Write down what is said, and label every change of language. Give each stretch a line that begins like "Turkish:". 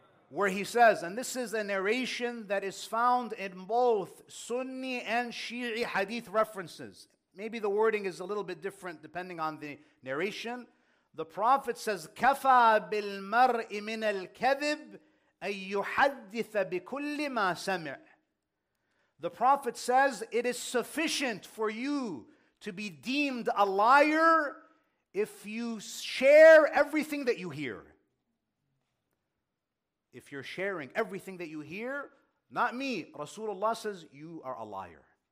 English: Where he says, and this is a narration that is found in both Sunni and Shi'i hadith references. Maybe the wording is a little bit different depending on the narration. The Prophet says,
Arabic: كَفَى بِالْمَرْءِ مِنَ الْكَذِبِ أَن يُحَدِّثَ بِكُلِّ مَا سَمِعَ.
English: The Prophet says, it is sufficient for you to be deemed a liar if you share everything that you hear. If you're sharing everything that you hear, not me, Rasulullah says, you are a liar.